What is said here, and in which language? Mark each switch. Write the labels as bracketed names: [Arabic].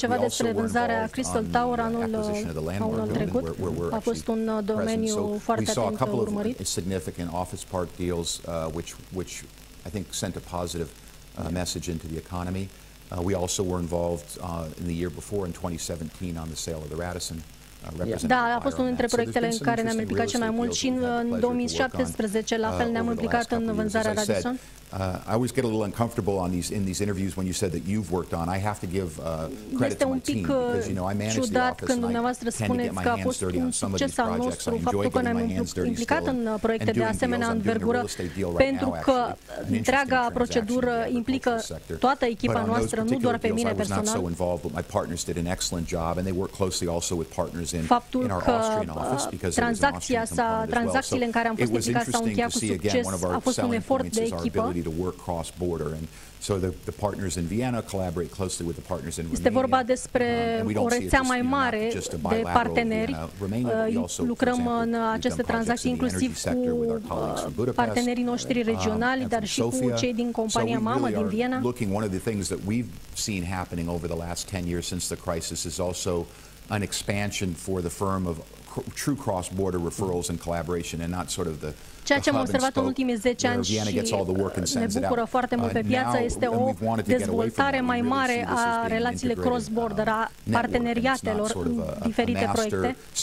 [Romanian] Ceva [English] we also were involved on the acquisition of the Landmark building, where [Romanian] a fost un domeniu foarte atent. [English] So we saw a couple of significant office park deals, which I think sent a positive message into the economy. We also were involved in the year before, in 2017, on the sale of the Radisson. [Romanian] Da, a fost unul dintre proiectele în care ne-am implicat cel mai mult și în 2017, la fel ne-am implicat în vânzarea Radisson. [English] I always get a little uncomfortable on these in these interviews when you said that you've worked on. I have to give credit to my team because you know I manage the office and I tend to get my hands dirty on some of these projects. I enjoy getting my hands dirty still and doing deals. I'm doing a real estate deal right now, actually. An interesting transaction in the agriculture sector. But on those particular deals, I was not so involved, but my partners did an excellent job, and they work closely also with partners in our Austrian office because it was an Austrian component as well. So it was interesting to see again one of our selling points is our ability to work cross border, and so the partners in Vienna collaborate closely with the partners in Romania. [Romanian] Este vorba despre o rețea mai mare de parteneri. Lucrăm în aceste tranzacții inclusiv cu partenerii noștri regionali, dar și cu cei din compania mamă din Vienna. [English] Looking one of the things that we've seen happening over the last 10 years since the crisis is also an expansion for the firm of true cross-border referrals and collaboration and not sort of the [Romanian] ceea ce am observat în ultimii 10 ani și ne bucură foarte mult pe piață este o dezvoltare mai mare a relațiile cross-border, a parteneriatelor în diferite proiecte.